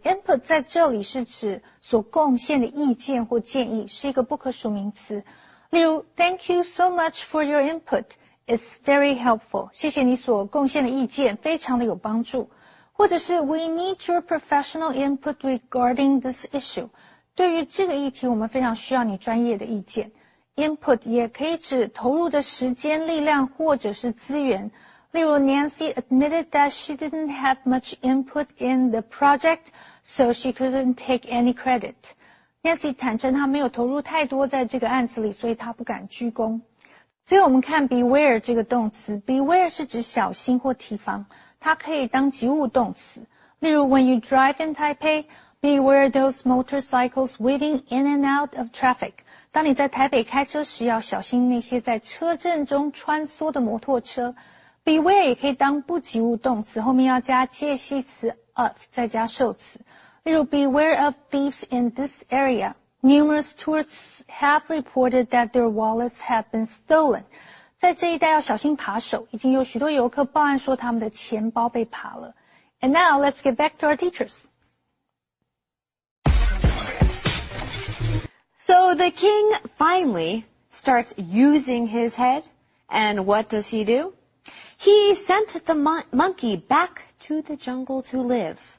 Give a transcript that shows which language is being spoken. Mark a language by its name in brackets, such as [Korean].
[Chinese] input 在这里是指所贡献的意见或建议，是一个不可数名词。例如 [English] ,Thank you so much for your input. It's very helpful. [Chinese] 谢谢你所贡献的意见，非常的有帮助。或者是 [English] We need your professional input regarding this issue. [Chinese] 对于这个议题，我们非常需要你专业的意见。 Input 也可以指投入的时间、力量或者是资源。例如 [English] Nancy admitted that she didn't have much input in the project, so she couldn't take any credit. [Chinese] Nancy 坦诚她没有投入太多在这个案子里，所以她不敢居功。所以我们看 beware 这个动词 beware 是指小心或提防它可以当及物动词例如 [English] when you drive in Taipei beware those motorcycles weaving in and out of traffic [Chinese] 当你在台北开车时要小心那些在车阵中穿梭的摩托车 Beware 也可以当不及物动词，后面要加介系词 of 再加受词。例如 [English] Beware of thieves in this area. Numerous tourists have reported that their wallets have been stolen. [Chinese] 在这一带要小心扒手，已经有许多游客报案说他们的钱包被扒了。 [English] And now let's get back to our teachers. So the king finally starts using his head. And what does he do? He sent the monkey back to the jungle to live.